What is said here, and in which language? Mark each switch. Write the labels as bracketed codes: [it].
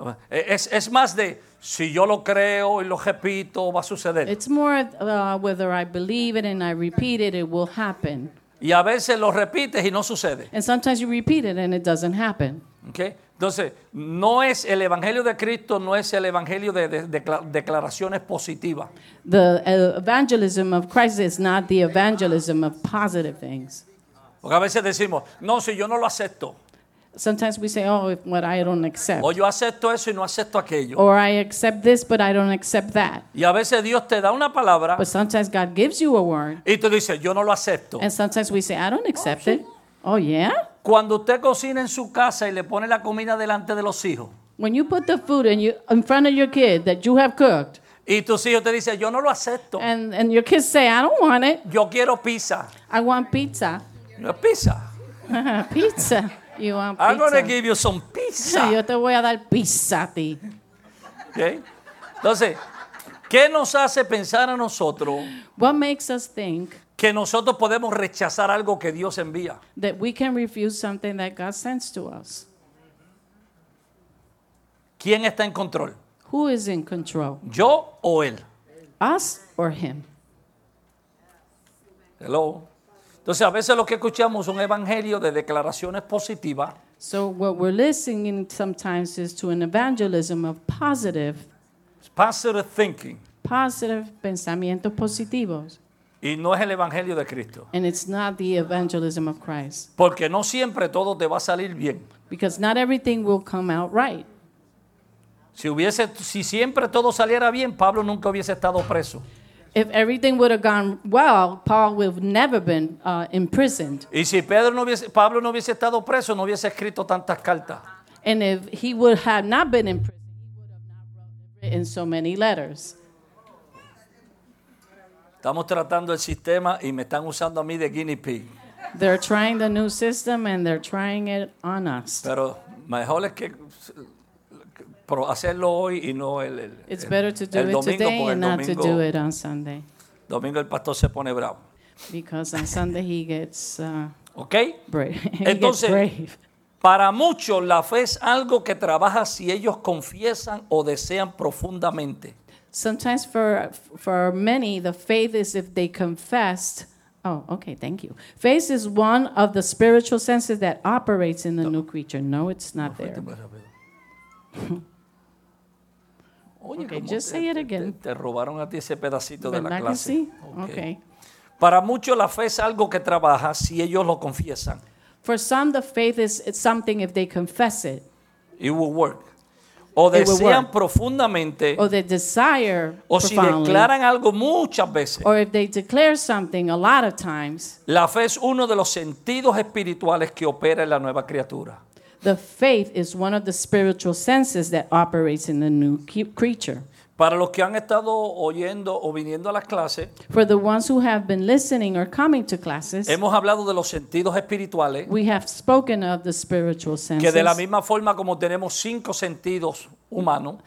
[es] Es más de si yo lo creo y lo repito va a suceder. [en] It's more whether I believe it and I repeat it will happen. [es] Y a veces lo repites y no sucede. [en] And sometimes you repeat it and it doesn't happen. Okay. [es] Entonces no es el evangelio de Cristo, no es el evangelio de declaraciones positivas. [en] The evangelism of Christ is not the evangelism of positive things. [es] Porque a veces decimos no si yo no lo acepto. [en] Sometimes we say, oh, what I don't accept. [es] O yo acepto eso y no acepto aquello. [en] Or I accept this, but I don't accept that. [es] Y a veces Dios te da una palabra, [en] but sometimes God gives you a word. [es] Y tú dices, yo no lo acepto. [en] And sometimes we say, I don't accept it. Oh, yeah? [es] Cuando usted cocina en su casa y le pone la comida delante de los hijos. [en] When you put the food in front of your kid that you have cooked. [es] Y tus hijos te dicen, yo no lo acepto. [en] And your kids say, I don't want it. [es] Yo quiero pizza. [en] I want pizza. [es] No, pizza. [en] Pizza. You want pizza. I'm going to give you some pizza. [es] Yo te voy a dar pizza a ti. Okay. Entonces, ¿qué nos hace pensar a nosotros? [en] What makes us think [es] que nosotros podemos rechazar algo que Dios envía? [en] That we can refuse something that God sends to us. [es] ¿Quién está en control? [en] Who is in control? [es] ¿Yo o él? [en] Us or him. Hello. [es] Entonces a veces lo que escuchamos es un evangelio de declaraciones positivas. [en] So what we're listening sometimes is to an evangelism of positive. Positive thinking. Positive [es] pensamientos positivos. Y no es el evangelio de Cristo. [en] And it's not the evangelism of Christ. [es] Porque no siempre todo te va a salir bien. [en] Because not everything will come out right. [es] Si siempre todo saliera bien, Pablo nunca hubiese estado preso. [en] If everything would have gone well, Paul would have never been imprisoned. [es] Y si Pablo no hubiese estado preso, no hubiese escrito tantas cartas. [en] And if he would have not been in prison, he would have not written so many letters. [es] Estamos tratando el sistema y me están usando a mí de guinea pig. [en] They're trying the new system and they're trying it on us. [es] Pero mejor es que pero hacerlo hoy y no el [en] it's better to do [es] el domingo, [en] it today [es] el [en] and not [es] domingo, [en] to do it on Sunday. [es] Domingo el pastor se pone bravo. [en] Because on Sunday he gets okay. Brave. [es] Entonces, [en] he gets brave. [es] Para muchos la fe es algo que trabaja si ellos confiesan o desean profundamente. [en] Sometimes for many the faith is if they confessed. Oh, okay, thank you. Faith is one of the spiritual senses that operates in the new creature. No, it's not there. [es] Oye, [en] okay, just say it again. [es] Te robaron a ti ese pedacito [en] but [es] de la clase. [en] Okay. [es] Para muchos la fe es algo que trabaja si ellos lo confiesan. [en] For some, the faith is something if they confess it. It will work. [es] O desean profundamente. [en] Or they desire profoundly. [es] O si declaran algo muchas veces. [en] Or if they declare something a lot of times. [es] La fe es uno de los sentidos espirituales que opera en la nueva criatura. [en] The faith is one of the spiritual senses that operates in the new creature. [es] Para los que han estado oyendo o viniendo a las clases, [en] for the ones who have been listening or coming to classes, [es] hemos hablado de los sentidos espirituales. [en] We have spoken of the spiritual senses. [es] Que de la misma forma como tenemos cinco sentidos humanos,